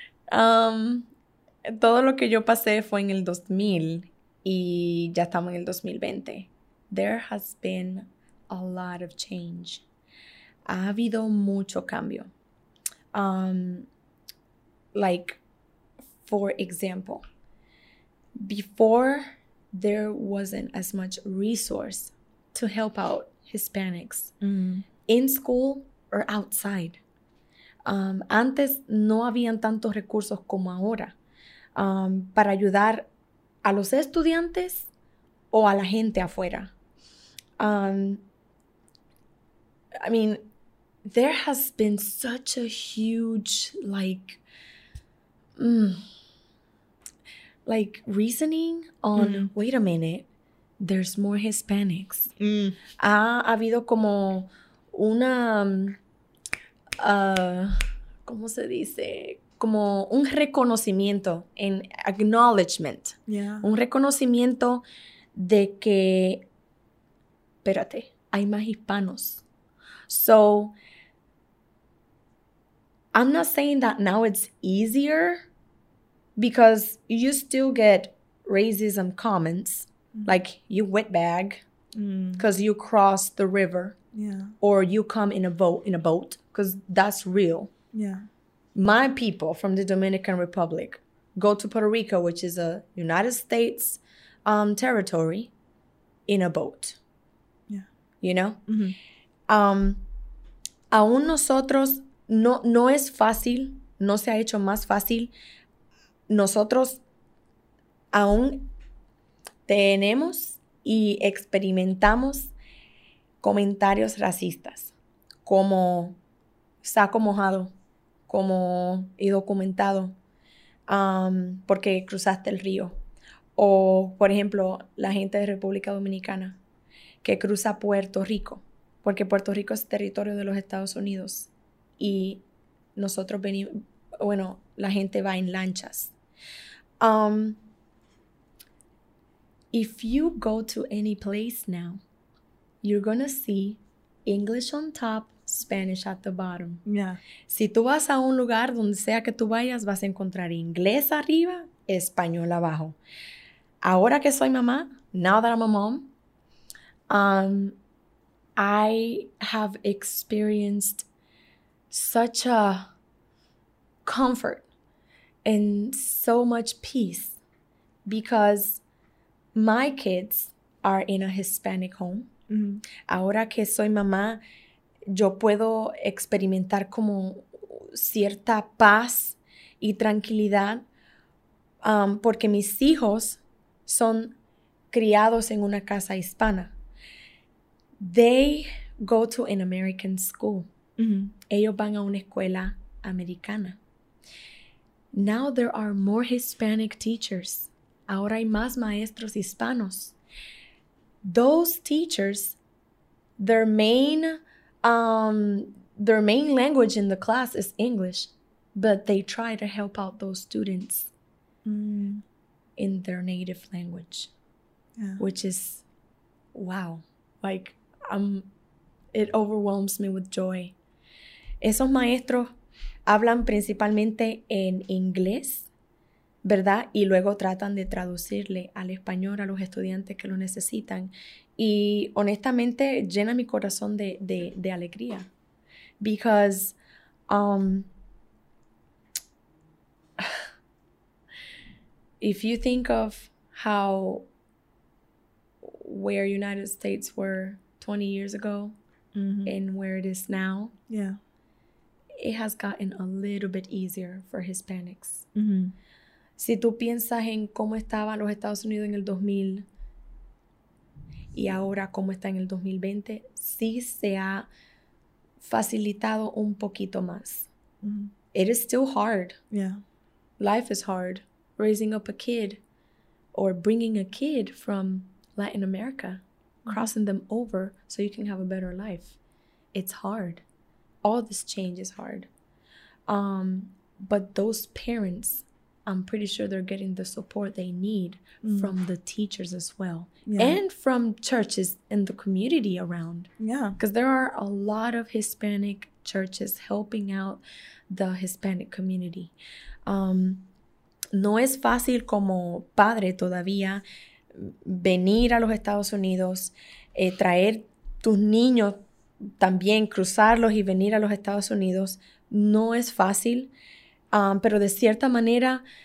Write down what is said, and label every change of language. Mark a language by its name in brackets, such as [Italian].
[Spanish] Todo lo que yo pasé fue en el 2000 y ya estamos en el 2020. [English] There has been a lot of change. [Spanish] Ha habido mucho cambio. [English] Like, for example, before there wasn't as much resource to help out Hispanics in school or outside. [Spanish] Antes no habían tantos recursos como ahora para ayudar a los estudiantes o a la gente afuera. [English] I mean, there has been such a huge, like, like reasoning on, wait a minute, there's more Hispanics. [Spanish] Ha habido como una, ¿cómo se dice? Como un reconocimiento, [English] an acknowledgement. Yeah. [Spanish] Un reconocimiento de que, espérate, hay más hispanos. [English] So, I'm not saying that now it's easier, because you still get racism comments. Like, you wet bag because you cross the river. Yeah. Or you come in a boat, because that's real. Yeah. My people from the Dominican Republic go to Puerto Rico, which is a United States territory, in a boat. Yeah. You know? Mm-hmm. [Spanish] Aún nosotros, no es fácil, no se ha hecho más fácil. Nosotros aún tenemos y experimentamos comentarios racistas, como saco mojado, como indocumentado, porque cruzaste el río. O, por ejemplo, la gente de República Dominicana que cruza Puerto Rico, porque Puerto Rico es territorio de los Estados Unidos y nosotros venimos, bueno, la gente va en lanchas. [English] If you go to any place now, you're going to see English on top, Spanish at the bottom. Yeah. [Spanish] Si tú vas a un lugar, donde sea que tú vayas, vas a encontrar inglés arriba, español abajo. Ahora que soy mamá, [English] now that I'm a mom, I have experienced such a comfort and so much peace, because my kids are in a Hispanic home. [Spanish] Ahora que soy mamá, yo puedo experimentar como cierta paz y tranquilidad, porque mis hijos son criados en una casa hispana. [English] They go to an American school. [Spanish] Ellos van a una escuela americana. [English] Now there are more Hispanic teachers. [Spanish] Ahora hay más maestros hispanos. [English] those teachers, their main language in the class is English, but they try to help out those students in their native language, which is, wow, like, it overwhelms me with joy. [Spanish] Esos maestros hablan principalmente en inglés, ¿verdad? Y luego tratan de traducirle al español a los estudiantes que lo necesitan. Y honestamente, llena mi corazón de alegría. [English] Because if you think of how where United States were 20 years ago and where it is now. Yeah. It has gotten a little bit easier for Hispanics. Mm-hmm. [Spanish] Si tú piensas en cómo estaban los Estados Unidos en el 2000 y ahora cómo está en el 2020, sí se ha facilitado un poquito más. Mm-hmm. [English] It is still hard. Yeah. Life is hard. Raising up a kid or bringing a kid from Latin America, crossing them over so you can have a better life. It's hard. All this change is hard. But those parents, I'm pretty sure they're getting the support they need from the teachers as well. Yeah. And from churches and the community around. Yeah. Because there are a lot of Hispanic churches helping out the Hispanic community. [Spanish] No es fácil como padre todavía venir a los Estados Unidos, traer tus niños también cruzarlos y venir a los Estados Unidos no es fácil, pero de cierta manera